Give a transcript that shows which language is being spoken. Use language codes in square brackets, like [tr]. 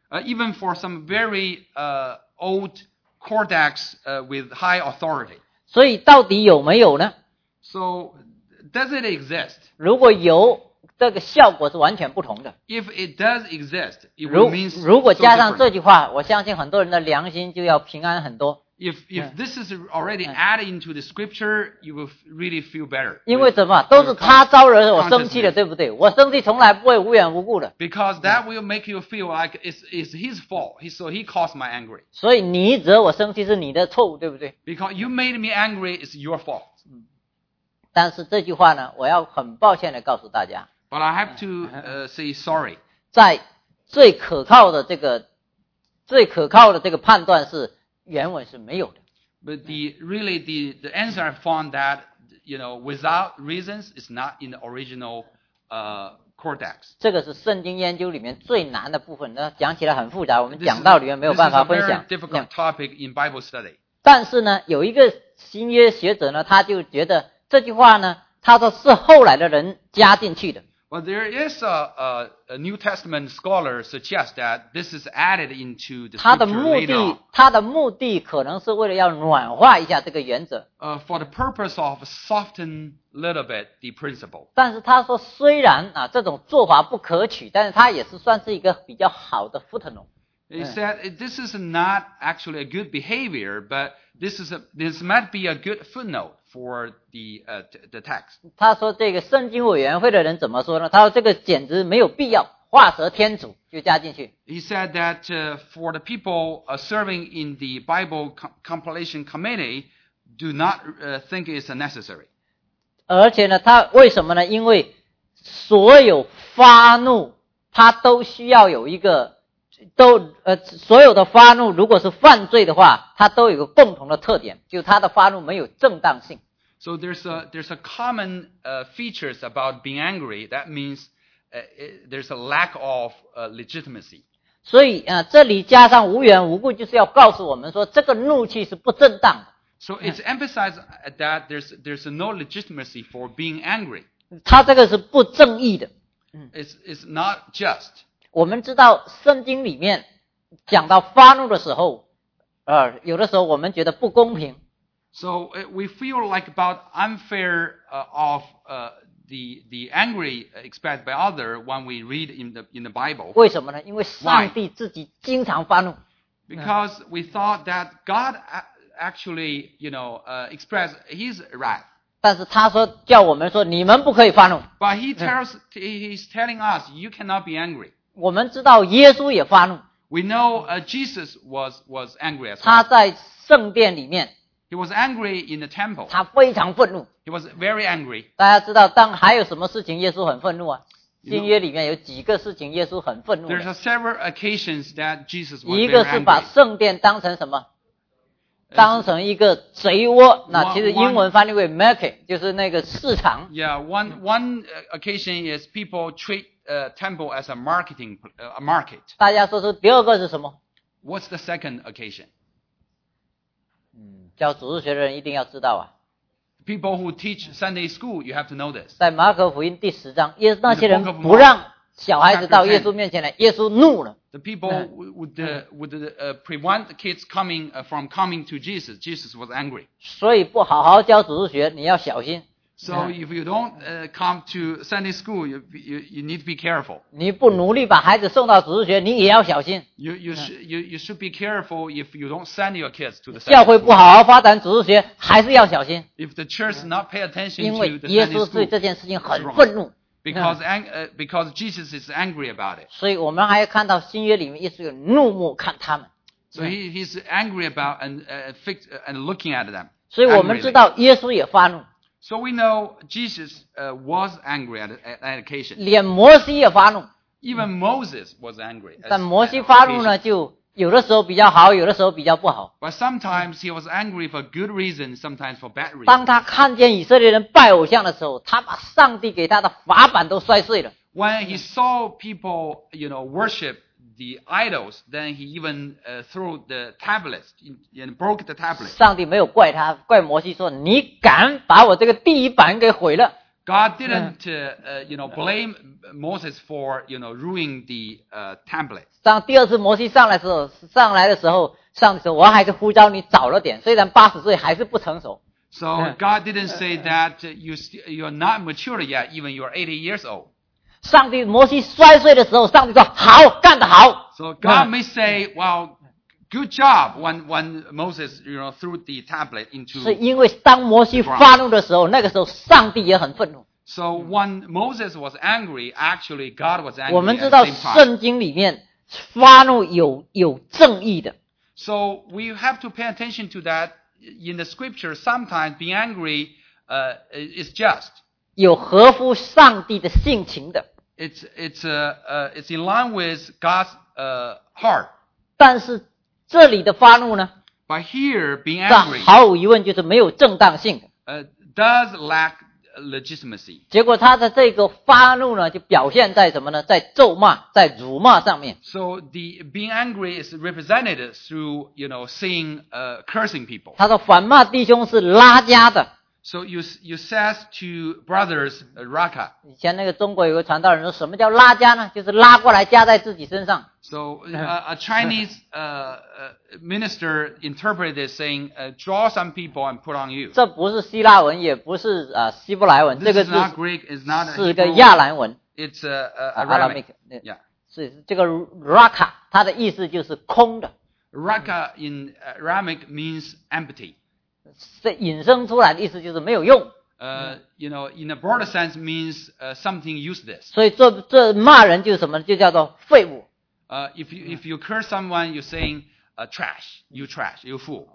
[en] Even for some very old cortex with high authority. [zh] 所以到底有没有呢 [en] ？So does it exist? [zh] 如果有，这个效果是完全不同的。 [en] If it does exist, it means [zh] 如果加上这句话，我相信很多人的良心就要平安很多。 [en] If this is already added into the scripture, you will really feel better. [zh] 因为什么？都是他招惹我生气的，对不对？我生气从来不会无缘无故的。 [en] Because that will make you feel like it's his fault. So he caused my angry. [zh] 所以你惹我生气是你的错误，对不对？ [en] Because you made me angry, it's your fault. [zh] 但是这句话呢，我要很抱歉的告诉大家。 [en] But I have to say sorry. [zh] 在最可靠的这个最可靠的这个判断是。原文是没有的。 [en] But the answer I found that, you know, without reasons, it's not in the original, codex. [zh] 这个是圣经研究里面最难的部分，那讲起来很复杂，我们讲道里面没有办法分享。 [en] This is a very difficult topic in Bible study. [zh] 但是呢，有一个新约学者呢，他就觉得这句话呢，他说是后来的人加进去的。 [en] Well, there is a New Testament scholar suggests that this is added into the scripture later on. [zh] 他的目的可能是为了要暖化一下这个原则。 [en] For the purpose of soften a little bit the principle. [zh] 但是他说虽然啊这种做法不可取，但是他也是算是一个比较好的 footnote。 [en] He said this is not actually a good behavior, but this might be a good footnote for the text. [zh] 他说这个圣经委员会的人怎么说呢？他说这个简直没有必要，画蛇添足就加进去。 [en] He said that for the people serving in the Bible compilation committee, do not think it's necessary. [zh] 而且呢，他为什么呢？因为所有发怒，他都需要有一个。都所有的发怒如果是犯罪的话它都有个共同的特点就它的发怒没有正当性。 [en] So there's a common features about being angry, that means there's a lack of legitimacy. [zh] 所以这里加上无缘无故就是要告诉我们说这个怒气是不正当的。 [en] So it's emphasized that there's no legitimacy for being angry. [zh] 它这个是不正义的。 [en] It's not just. [zh] 我们知道圣经里面讲到发怒的时候有的时候我们觉得不公平。 [en] So, we feel like about unfair of the angry expressed by others when we read in the Bible. [zh] 为什么呢？因为上帝自己经常发怒。 [en] Because we thought that God actually, you know, expressed his wrath. [zh] 但是他说叫我们说你们不可以发怒。 [en] But he's telling us, you cannot be angry. [zh] 我们知道耶稣也发怒。 [en] We know Jesus was angry as well. [zh] 他在圣殿里面。 [en] He was angry in the temple. [zh] 他非常愤怒。 [en] He was very angry. [zh] 大家知道，当还有什么事情耶稣很愤怒啊？新约里面有几个事情耶稣很愤怒。 [en] There's several occasions that Jesus was very angry. [zh] 一个是把圣殿当成什么？当成一个贼窝。那其实英文翻译为 market， 就是那个市场。 [en] Yeah, one occasion is people treat. Temple as a market. [zh] 大家说说第二个是什么？ [en] What's the second occasion? [zh] 教主日学的人一定要知道啊。 [en] People who teach Sunday school, you have to know this. [zh] 在马可福音第十章，那些人不让小孩子到耶稣面前来，耶稣怒了。 [en] The people would prevent kids coming from coming to Jesus. Jesus was angry. [zh] 所以不好好教主日学，你要小心。 [en] So if you don't come to Sunday school, you need to be careful. [zh] 你不努力把孩子送到主日学，你也要小心。 [en] You should be careful if you don't send your kids to the Sunday school. [zh] 教会不好好发展主日学，还是要小心。 [en] If the church not pay attention to school, [zh] 因为耶稣对这件事情很愤怒。 [en] Because Jesus is angry about it. [zh] 所以我们还看到新约里面耶稣有怒目看他们。 [en] So he's angry about and looking at them. [zh] 所以我们知道耶稣也发怒。 [en] So we know Jesus was angry at that occasion. [zh] 连摩西也发怒。 [en] Even Moses was angry. [zh] 但摩西发怒呢，就有的时候比较好，有的时候比较不好。 [en] But sometimes he was angry for good reason, sometimes for bad reason. [zh] 当他看见以色列人拜偶像的时候，他把上帝给他的法板都摔碎了。 [en] When he saw people, you know, worship the idols, then he even threw the tablets and broke the tablets. [zh] 上帝没有怪他，怪摩西说：“你敢把我这个第一版给毁了。” [en] God didn't blame Moses for ruining the tablets. [zh] 当第二次摩西上来的时候，上帝说：“我还是呼召你早了点，虽然八十岁还是不成熟。” [en] So God didn't say that you're not mature yet, even you're 80 years old. [zh] 上帝摩西摔碎的时候上帝说好干得好。 [en] So God may say, well, good job when Moses, you know, threw the tablet into the ground. [zh] 是因为当摩西发怒的时候，那个时候上帝也很愤怒。 [en] So when Moses was angry, actually God was angry at the same time. [zh] 我们知道圣经里面发怒有正义的。 [en] So we have to pay attention to that in the scripture. Sometimes being angry, is just. [zh] 有合乎上帝的性情的。 [en] It's in line with God's heart. [zh] 但是这里的发怒呢 [en] ？By here being angry, [zh] 毫无疑问就是没有正当性。 [en] Does lack legitimacy. [zh] 结果他的这个发怒呢，就表现在什么呢？在咒骂，在辱骂上面。 [en] So the being angry is represented through, you know, seeing cursing people. [zh] 他的反骂弟兄是拉加的。 [en] So you says to brothers Raka. [zh] 以前那个中国有个传道人说，什么叫拉加呢？就是拉过来加在自己身上。 [en] So a Chinese minister interpreted saying, draw some people and put on you. [zh] 这不是希腊文，也不是希伯来文。 [en] This is not Greek. It's not Hebrew. [zh] 是个亚兰文。 [en] It's Aramaic. Yeah. [zh] 是这个 Raka， 它的意思就是空的。 [en] Raka in Aramaic means empty. [zh] 是引申出来的意思就是没有用。 [en] You know, in a broader sense means something useless. [zh] 所以这骂人就是什么，就叫做废物。 [en] If you curse someone, you're saying trash, you trash, you fool.